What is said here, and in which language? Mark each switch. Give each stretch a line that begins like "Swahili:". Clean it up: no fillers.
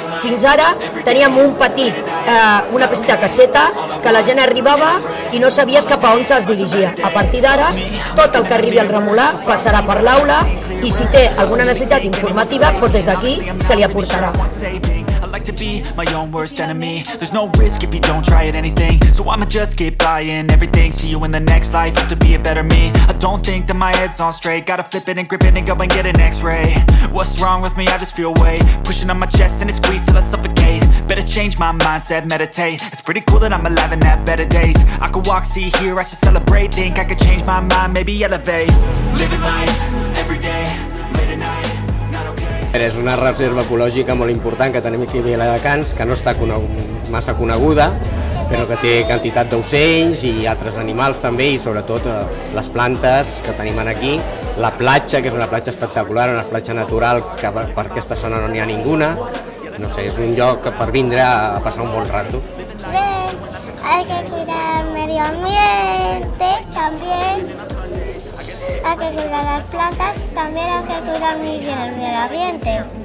Catalan: Fins ara teníem una petita caseta que la gent arribava i no sabies cap a on se'ls dirigia. A partir d'ara, tot el que arribi al Remolar passarà per l'aula i si té alguna necessitat informativa, pot des d'aquí se li aportarà.
English: To be my own worst enemy. There's no risk if you don't try it anything. So I'ma just keep buying everything. See you in the next life. Hope to be a better me. I don't think that my head's on straight. Gotta flip it and grip it and go and get an x-ray. What's wrong with me? I just feel weight pushing on my chest and it squeezes till I suffocate. Better change my mindset, meditate. It's pretty cool that I'm alive and have better days. I could walk, see, hear, I should celebrate. Think I could change my mind, maybe elevate. Living life, everyday.
Catalan: És una reserva ecològica molt important que tenim aquí a Viladecans, que no està massa coneguda, però que té quantitat d'ocells i altres animals també, i sobretot les plantes que tenim aquí. La platja, que és una platja espectacular, una platja natural, que per aquesta zona no n'hi ha ninguna. No sé, és un lloc per vindre a passar un bon rato.
Spanish: Bé, hay que cuidar el medio ambiente, también. Hay que cuidar las plantas, también hay que cuidar muy bien el medio ambiente.